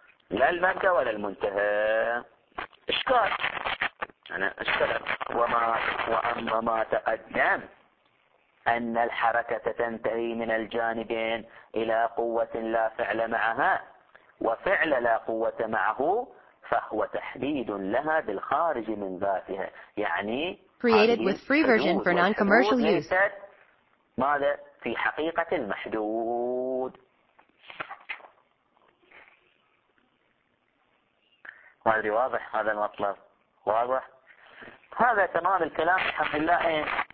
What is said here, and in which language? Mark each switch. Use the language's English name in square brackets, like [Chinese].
[Arabic] لا المبدأ ولا المنتهى إشكال أنا أشكال وأما ما تقدم أن الحركة تنتهي من الجانبين إلى قوة لا فعل معها وفعل لا قوة معه فهو تحديد لها بالخارج من ذاتها يعني [English] created with free version for non-commercial use. [Arabic] ماذا في حقيقة المحدود ما أدري واضح هذا المطلب واضح هذا تمام الكلام الحمد لله